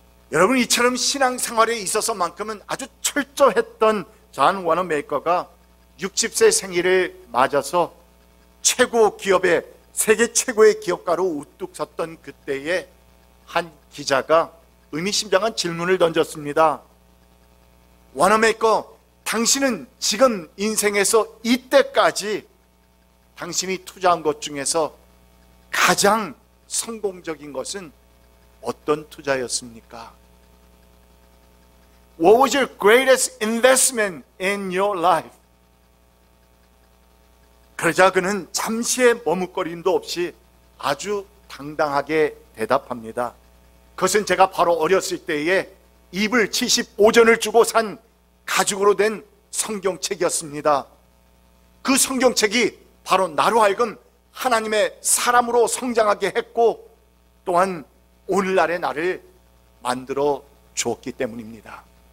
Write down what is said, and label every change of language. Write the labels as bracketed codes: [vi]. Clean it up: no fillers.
[ko] 여러분, 이처럼 신앙생활에 있어서 만큼은 아주 철저했던 존 워너메이커가 60세 생일을 맞아서 최고 기업의, 세계 최고의 기업가로 우뚝 섰던 그때에 한 기자가 의미심장한 질문을 던졌습니다. 워너메이커, 당신은 지금 인생에서 이때까지 당신이 투자한 것 중에서 가장 성공적인 것은 어떤 투자였습니까? [en] What was your greatest investment in your life? [ko] 그러자 그는 잠시의 머뭇거림도 없이 아주 당당하게 대답합니다. 그것은 제가 바로 어렸을 때에 이불 75전을 주고 산 가죽으로 된 성경책이었습니다. 그 성경책이 바로 나로 하여금 하나님의 사람으로 성장하게 했고, 또한 오늘날의 나를 만들어 주었기 때문입니다.